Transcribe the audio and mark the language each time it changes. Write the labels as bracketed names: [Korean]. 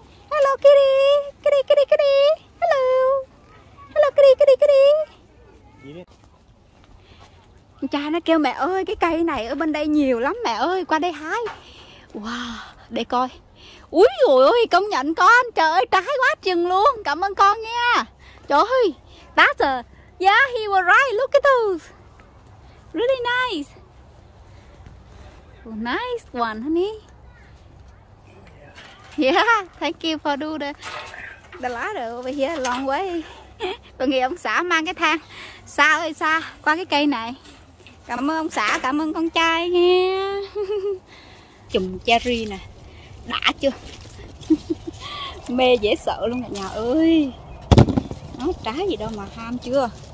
[English] Hello kitty. Kitty kitty kitty. Hello. Hello kitty kitty kitty. [Vietnamese] Cha nó kêu mẹ ơi cái cây này ở bên đây nhiều lắm mẹ ơi qua đây hái. Wow, để coi. Úi dồi ôi công nhận con. Trời ơi trái quá chừng luôn. Cảm ơn con nha. Trời ơi. [English] That's a yeah he was right. Look at those. Really nice. Oh, nice one, honey. Yeah, thank you for do the ladder over here long way. [Vietnamese] Tôi nghĩ ông xã mang cái thang xa ơi xa qua cái cây này. Cảm ơn ông xã, cảm ơn con trai nha. Chùm cherry nè. Đã chưa? Mê dễ sợ luôn cả nhà ơi. Nó trái gì đâu mà ham chưa.